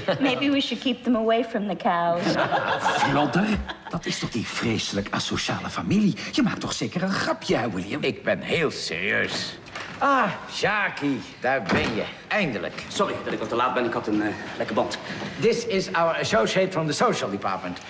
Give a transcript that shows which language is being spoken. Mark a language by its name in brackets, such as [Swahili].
[English] Maybe we should keep them away from the cows. [Dutch] Flodder? Dat is toch die vreselijk asociale familie? Je maakt toch zeker een grapje, hè, William? Ik ben heel serieus. Ah, Jacky, daar ben je. Eindelijk. Sorry dat ik al te laat ben. Ik had een lekker band. [English] This is our associate from the social department.